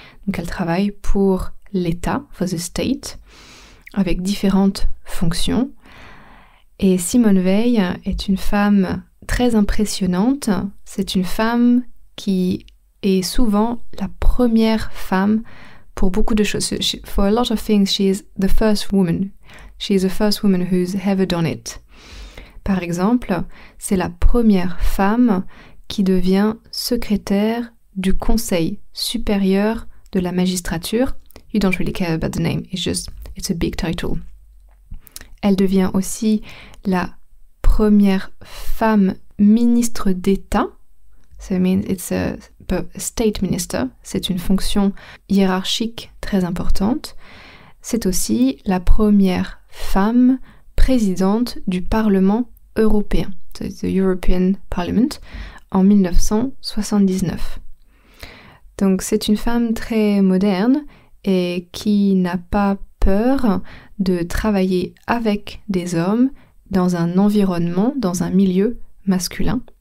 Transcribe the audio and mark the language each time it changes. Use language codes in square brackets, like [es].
[fr] Donc elle travaille pour l'État, [en] for the state, [fr] avec différentes fonctions. Et Simone Veil est une femme très impressionnante. C'est une femme qui est souvent la première femme pour beaucoup de choses. [en] For a lot of things, she is the first woman. She is the first woman who's ever done it. [fr] Par exemple, c'est la première femme qui devient secrétaire du Conseil supérieur de la magistrature. [en] You don't really care about the name, it's just, it's a big title. [fr] Elle devient aussi la première femme ministre d'État. [en] So it means it's a state minister. [fr] C'est une fonction hiérarchique très importante. C'est aussi la première femme présidente du Parlement européen. [en] So it's the European Parliament, [fr] en 1979. Donc c'est une femme très moderne et qui n'a pas peur de travailler avec des hommes dans un environnement, dans un milieu masculin.